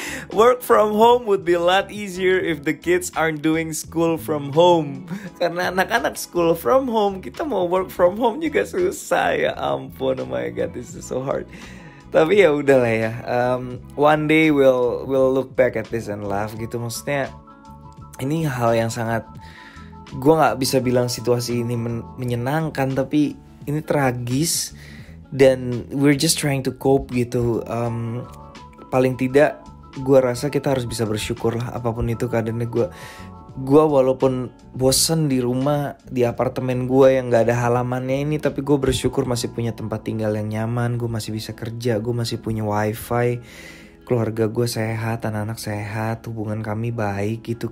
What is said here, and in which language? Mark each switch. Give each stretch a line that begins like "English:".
English: Work from home would be a lot easier if the kids aren't doing school from home.
Indonesian: Karena anak-anak
English: school from home,
Indonesian: kita mau
English: work from home
Indonesian: juga susah ya.
English: Ampun, oh my god, this is so hard.
Indonesian: Tapi ya udahlah ya.
English: One day we'll look back at this and laugh gitu.
Indonesian: Maksudnya ini hal yang sangat, gue gak bisa bilang situasi ini menyenangkan, tapi ini tragis.
English: Dan we're just trying to cope gitu.
Indonesian: Paling tidak gue rasa kita harus bisa bersyukur lah apapun itu keadaannya. Gue walaupun bosen di rumah, di apartemen gue yang gak ada halamannya ini, tapi gue bersyukur masih punya tempat tinggal yang nyaman. Gue masih bisa kerja, gue masih punya wifi. Keluarga gue sehat, anak-anak sehat, hubungan kami baik gitu.